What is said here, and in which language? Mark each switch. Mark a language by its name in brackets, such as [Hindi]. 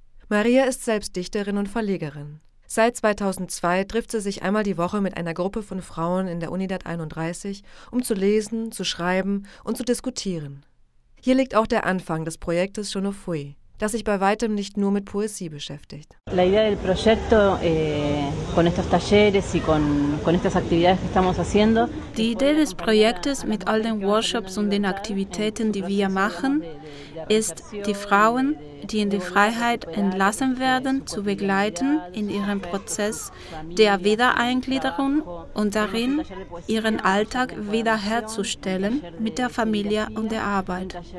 [German] Maria ist selbst Dichterin und Verlegerin. Seit 2002 trifft sie sich einmal die Woche mit einer Gruppe von Frauen in der Unidad 31, um zu lesen, zu schreiben und zu diskutieren. Hier liegt auch der Anfang des Projektes Chonofui, das sich bei weitem nicht nur mit Poesie beschäftigt. [Spanish] La idea del proyecto con estos talleres y con estas actividades que estamos haciendo. [German] Die Idee des Projektes mit all den Workshops und den Aktivitäten, die wir machen, ist, die Frauen, die in die Freiheit entlassen werden, zu begleiten in ihrem Prozess der Wiedereingliederung und darin, ihren Alltag wiederherzustellen mit der Familie und der Arbeit.